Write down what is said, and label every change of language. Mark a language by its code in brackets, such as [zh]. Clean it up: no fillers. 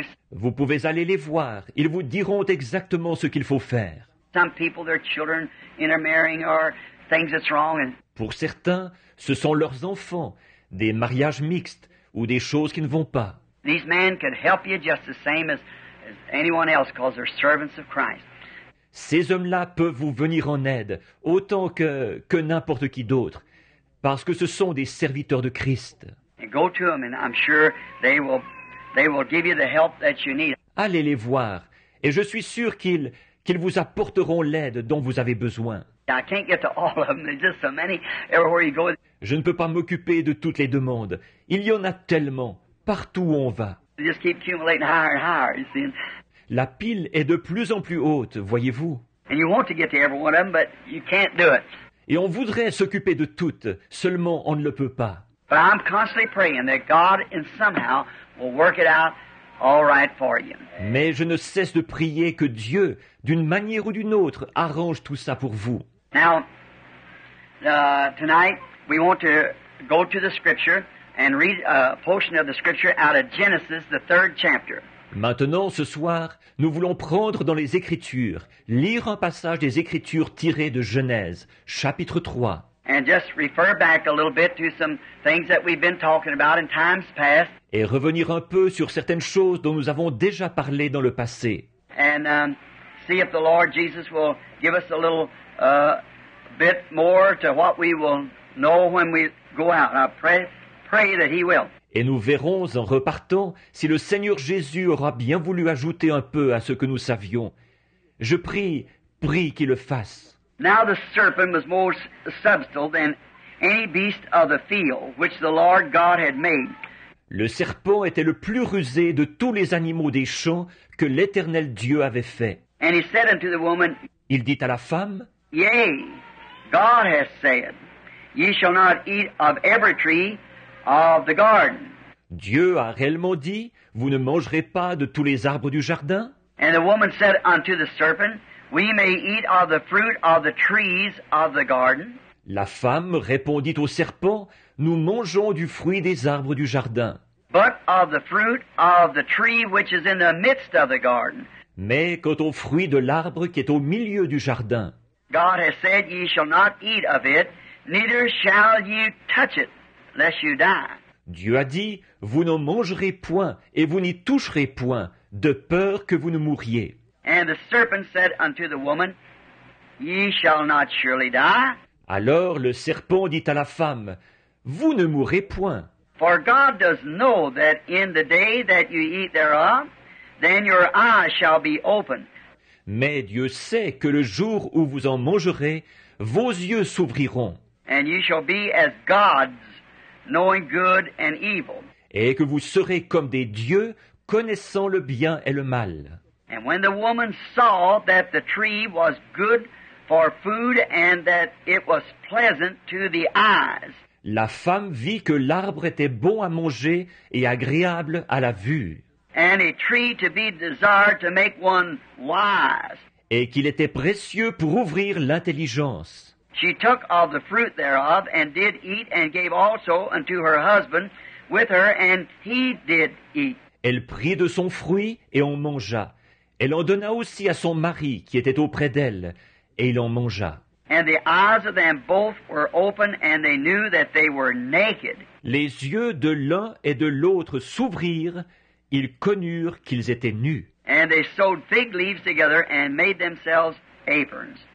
[fr] Vous pouvez aller les voir, ils vous diront exactement ce qu'il faut faire. [en] Some people, their children intermarrying or things that's wrong. [fr] Pour certains, ce sont leurs enfants, des mariages mixtes ou des choses qui ne vont pas. [en] These men could help you just the same as anyone else, because they're servants of Christ. [fr] Ces hommes-là peuvent vous venir en aide autant que n'importe qui d'autre, parce que ce sont des serviteurs de Christ. [en] And go to them, and I'm sure they will give you the help that you need. [fr] Allez les voir, et je suis sûr qu'ils vous apporteront l'aide dont vous avez besoin. [en] I can't get to all of them. There's just so many everywhere you go. [fr] Je ne peux pas m'occuper de toutes les demandes. Il y en a tellement partout où on va. [en] They just keep accumulating higher and higher, you see. [fr] La pile est de plus en plus haute, voyez-vous. [en] And you want to get to every one of them, but you can't do it. [fr] Et on voudrait s'occuper de toutes, seulement on ne le peut pas. [en] But I'm constantly praying that God in somehow will work it out. All right for you. [fr] Mais je ne cesse de prier que Dieu, d'une manière ou d'une autre, arrange tout ça pour vous. [en] Now, tonight, we want to go to the scripture and read a portion of the scripture out of Genesis, the third chapter. [fr] Maintenant, ce soir, nous voulons prendre dans les Écritures, lire un passage des Écritures tiré de Genèse, chapitre 3. [en] And just refer back a little bit to some things that we've been talking about in times past. [fr] Et revenir un peu sur certaines choses dont nous avons déjà parlé dans le passé. [en] And see if the Lord Jesus will give us a little bit more to what we will know when we go out. I pray that he will. [fr] Et nous verrons en repartant si le Seigneur Jésus aura bien voulu ajouter un peu à ce que nous savions. Je prie qu'il le fasse. [en] Now the serpent was more subtle than any beast of the field which the Lord God had made. [fr] Le serpent était le plus rusé de tous les animaux des champs que l'Éternel Dieu avait fait. [en] And he said unto the woman, [fr] il dit à la femme, [en] yea, God has said, ye shall not eat of every tree of the garden. [fr] Dieu a réellement dit, vous ne mangerez pas de tous les arbres du jardin. [en] And the woman said unto the serpent, we may eat of the fruit of the trees of the garden. [fr] La femme répondit au serpent, nous mangeons du fruit des arbres du jardin. [en] But of the fruit of the tree which is in the midst of the garden. [fr] Mais quant au fruit de l'arbre qui est au milieu du jardin. [en] God has said, ye shall not eat of it, neither shall ye touch it, lest you die. [fr] Dieu a dit, vous n'en mangerez point et vous n'y toucherez point, de peur que vous ne mouriez. [en] And the serpent said unto the woman, ye shall not surely die. [fr] Alors le serpent dit à la femme, vous ne mourrez point. [en] For God does know that in the day that you eat thereof, then your eyes shall be opened. [fr] Mais Dieu sait que le jour où vous en mangerez, vos yeux s'ouvriront. [en] And you shall be as gods, knowing good and evil. [fr] Et que vous serez comme des dieux, connaissant le bien et le mal. [en] And when the woman saw that the tree was good for food and that it was pleasant to the eyes. [fr] La femme vit que l'arbre était bon à manger et agréable à la vue. [en] And a tree to be desired to make one wise. [fr] Et qu'il était précieux pour ouvrir l'intelligence. [en] She took of the fruit thereof and did eat and gave also unto her husband with her and he did eat. [fr] Elle prit de son fruit et en mangea. Elle en donna aussi à son mari qui était auprès d'elle. Et il en mangea. [en] And the eyes of them both were open, and they knew that they were naked. [fr] Les yeux de l'un et de l'autre s'ouvrirent, ils connurent qu'ils étaient nus. [en] And they sewed fig leaves together and made themselves aprons.